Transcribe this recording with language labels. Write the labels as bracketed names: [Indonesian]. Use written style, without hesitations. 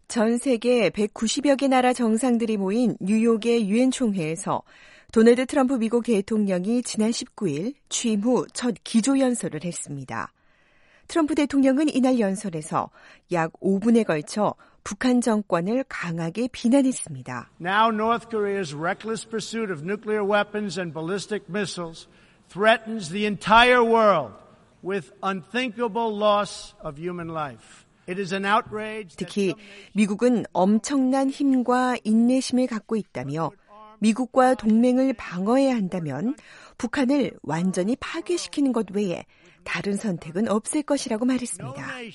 [Korean] 전 세계 190여 개 나라 정상들이 모인 뉴욕의 유엔 총회에서 도널드 트럼프 미국 대통령이 지난 19일 취임 후 첫 기조연설을 했습니다. 트럼프 대통령은 이날 연설에서 약 5분에 걸쳐 북한 정권을 강하게 비난했습니다. [English] Now North Korea's reckless pursuit of nuclear weapons and ballistic missiles threatens the entire world with unthinkable loss of human life. [Korean] 특히 미국은 엄청난 힘과 인내심을 갖고 있다며 미국과 동맹을 방어해야 한다면 북한을 완전히 파괴시키는 것 외에 다른 선택은 없을 것이라고 말했습니다.